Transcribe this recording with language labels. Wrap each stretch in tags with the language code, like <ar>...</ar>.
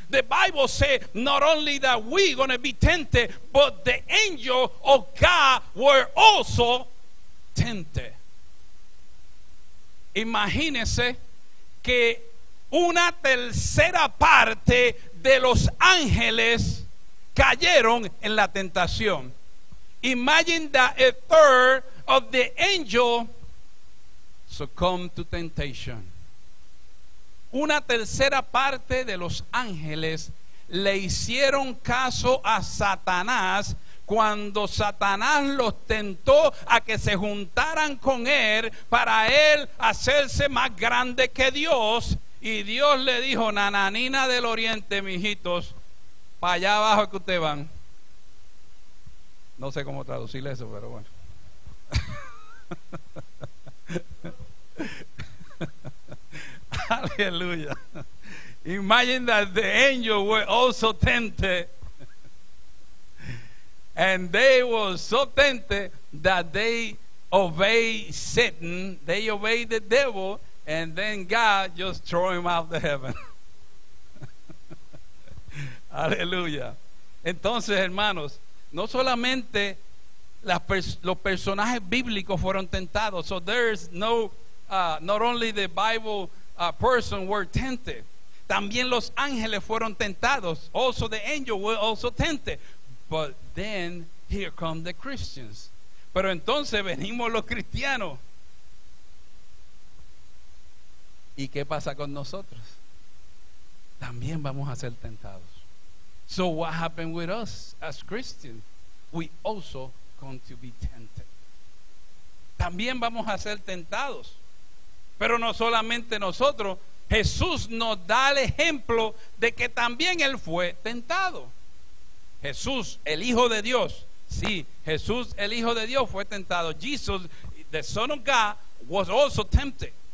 <en>The Bible say not only that we gonna be tempted, but the angel of God were also tempted.</en> <es>Imagínese que una tercera parte de los ángeles cayeron en la tentación.</es> <en>Imagine that a third of the angel succumbed to temptation.</en> <es>Una tercera parte de los ángeles le hicieron caso a Satanás cuando Satanás los tentó a que se juntaran con él para él hacerse más grande que Dios. Y Dios le dijo, nananina del oriente, mijitos, para allá abajo que ustedes van. No sé cómo traducirle eso, pero bueno.</es> <en>Aleluya. Imagine that the angels were also tempted. And they were so tempted that they obeyed Satan. They obeyed the devil. And then God just throw him out of heaven. Aleluya.</en> <es>Entonces, hermanos, no solamente los personajes bíblicos fueron tentados.</es> <en>So there's no, not only the Bible person were tempted.</en> <es>También los ángeles fueron tentados.</es> <en>Also the angel were also tempted. But then here come the Christians.</en> <es>Pero entonces venimos los cristianos. ¿Y qué pasa con nosotros? También vamos a ser tentados.</es> <en>So what happened with us as Christians? We also going to be tempted.</en> <es>También vamos a ser tentados. Pero no solamente nosotros. Jesús nos da el ejemplo de que también Él fue tentado. Jesús, el Hijo de Dios. Sí, Jesús, el Hijo de Dios, fue tentado.</es> <en>Jesus, the Son of God, was also tempted.</en>